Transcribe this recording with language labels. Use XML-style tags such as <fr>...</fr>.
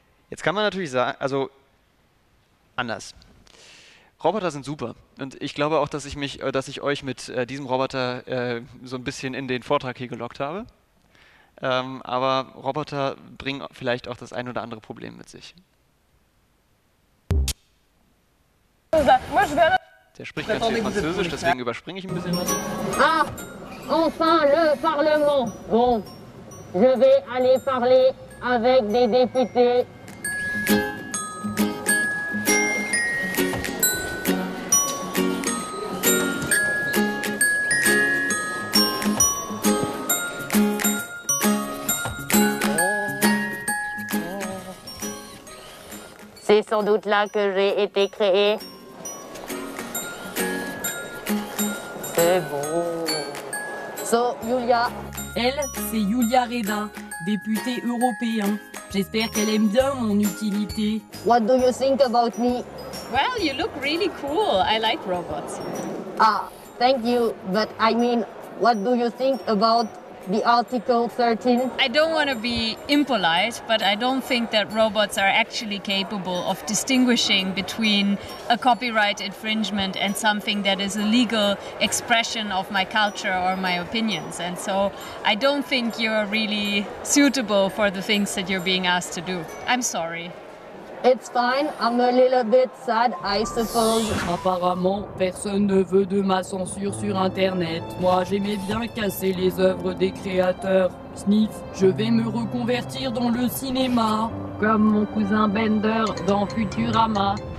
<de>Jetzt kann man natürlich sagen, also anders. Roboter sind super und ich glaube auch, dass ich euch mit diesem Roboter so ein bisschen in den Vortrag hier gelockt habe. Aber Roboter bringen vielleicht auch das ein oder andere Problem mit sich. Der spricht ganz viel Französisch, deswegen überspringe ich ein bisschen was.</de> <fr>Ah, enfin le Parlement. Bon, je vais aller parler avec des députés. C'est sans doute là que j'ai été créé. C'est beau.</fr> <de>So, Julia.</de> <fr>Elle, c'est Julia Reda, députée européenne. J'espère qu'elle aime bien mon utilité.</fr> <en>What do you think about me? Well, you look really cool. I like robots. Ah, thank you. But I mean, what do you think about the Article 13? I don't want to be impolite, but I don't think that robots are actually capable of distinguishing between a copyright infringement and something that is a legal expression of my culture or my opinions. And so I don't think you're really suitable for the things that you're being asked to do. I'm sorry. It's fine. I'm a little bit sad, I suppose.</en> <fr>Apparemment, personne ne veut de ma censure sur Internet. Moi, j'aimais bien casser les œuvres des créateurs. Sniff, je vais me reconvertir dans le cinéma. Comme mon cousin Bender dans Futurama.</fr>